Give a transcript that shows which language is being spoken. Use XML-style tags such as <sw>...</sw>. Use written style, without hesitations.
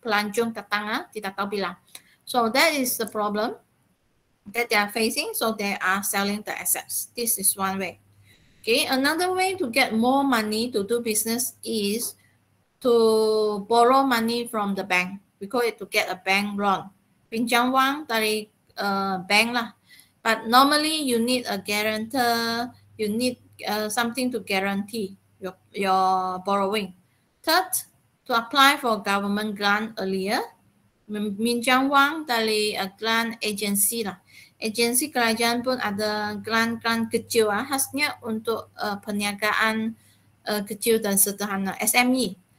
<ms>Pelancong datang, tidak tahu bila.</ms> <en>So that is the problem that they are facing. So they are selling the assets. This is one way. Okay, another way to get more money to do business is to borrow money from the bank. We call it to get a bank loan.</en> <ms>Pinjam wang dari bank lah.</ms> <en>But normally you need a guarantor. You need something to guarantee your borrowing. Third, to apply for government grant earlier.</en> <ms>Minjam wang dari</ms> <en>a grant agency</en> <ms>lah. Agensi kerajaan pun ada grant-grant kecil lah, khasnya untuk perniagaan kecil dan sederhana, SME.</ms>